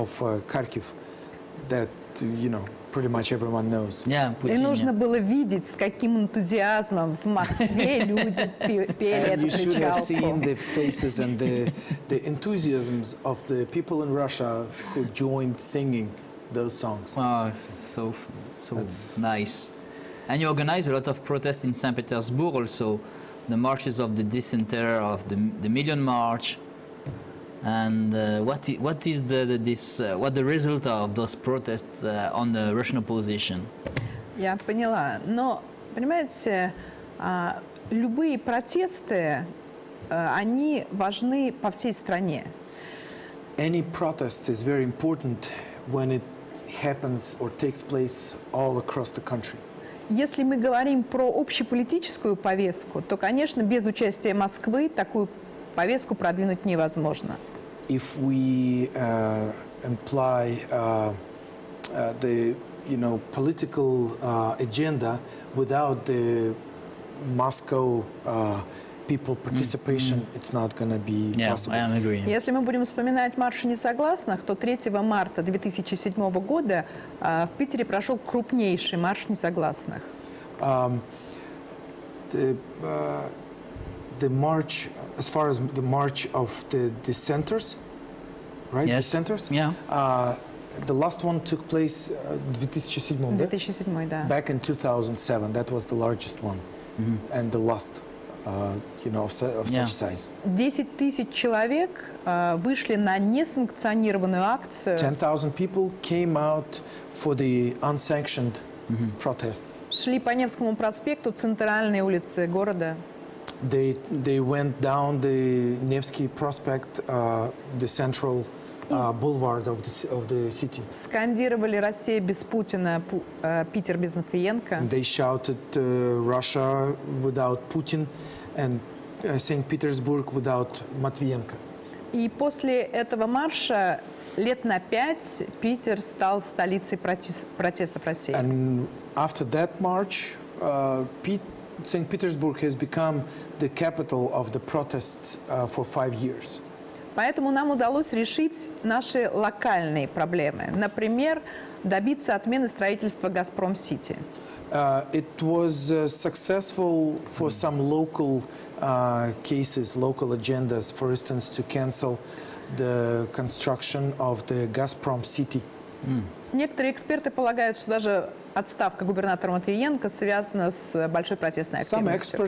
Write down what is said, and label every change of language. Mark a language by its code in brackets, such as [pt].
[en] of Kharkiv that, you know, pretty much everyone knows. Yeah, Putin, [ru] и нужно [en] yeah. [ru] было видеть, с каким энтузиазмом в Москве люди пели эту кричалку. [en] And you should have seen the faces and the enthusiasms of the people in Russia who joined singing those songs. Wow, so That's nice. And you organized a lot of protests in St. Petersburg also, the marches of the disinterror of the Million March. And what is the result of those protests on the Russian opposition? [ru] Я поняла. Но, понимаете, любые протесты, они важны по всей стране. [en] Any protest is very important when it happens or takes place all across the country. [ru] Если мы говорим про общеполитическую повестку, то, конечно, без участия Москвы такую повестку продвинуть невозможно. [en] If we imply the, you know, political agenda without the Moscow people participation, it's not going to be yeah, possible. Yeah, I agree. [ru] Если мы будем вспоминать марши несогласных, то 3 марта 2007 года в Питере прошел крупнейший марш несогласных. [en] The march, as far as the march of the dissenters. Right, yes. The centers? Yeah. The last one took place 2007, [ru] да? [en] Back in 2007. That was the largest one. Mm-hmm. And the last, you know, of yeah. such size. [ru] 10,000 человек вышли на несанкционированную акцию. [en] 10,000 people came out for the unsanctioned mm-hmm. protest. [ru] Шли по Невскому проспекту, центральной улице города. [en] They went down the Nevsky Prospect, the central boulevard of the city. [ru] Скандировали «Россия без Путина», «Питер без Матвиенко». [en] They shouted «Russia without Putin» and «St. Petersburg without Матвиенко». [ru] И после этого марша лет на пять Питер стал столицей протестов России. [en] And after that march, St. Petersburg has become the capital of the protests for 5 years. [ru] Поэтому нам удалось решить наши локальные проблемы. Например, добиться отмены строительства Газпром-Сити. [en] It was successful for some local cases, local agendas, for instance, to cancel the construction of the Газпром-Сити. [ru] Некоторые эксперты полагают, что даже отставка губернатора Матвиенко связана с большой протестной активностью.